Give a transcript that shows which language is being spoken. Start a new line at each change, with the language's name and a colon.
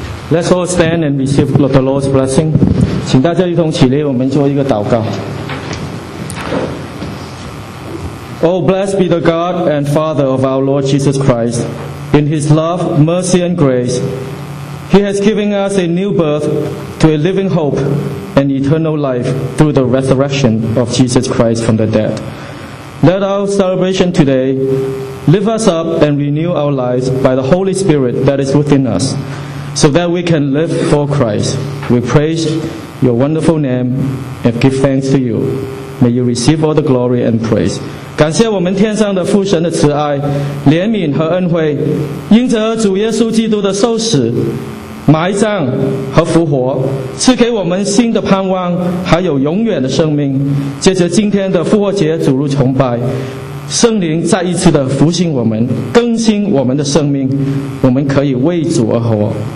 English: Let's all stand and receive the Lord's blessing.
Chinese: 请大家一同起立，我们做一个祷告。
English: Oh, blessed be the God and Father of our Lord Jesus Christ. In His love, mercy, and grace, He has given us a new birth to a living hope and eternal life through the resurrection of Jesus Christ from the dead. Let our celebration today lift us up and renew our lives by the Holy Spirit that is within us. So that we can live for Christ. We praise your wonderful name and give thanks to you. May you receive all the glory and praise.
Chinese: 感谢我们天上的父神的慈爱、怜悯和恩惠，因着主耶稣基督的受死、埋葬和复活，赐给我们新的盼望，还有永远的生命。借着今天的复活节主日崇拜，圣灵再一次的复兴我们，更新我们的生命，我们可以为主而活。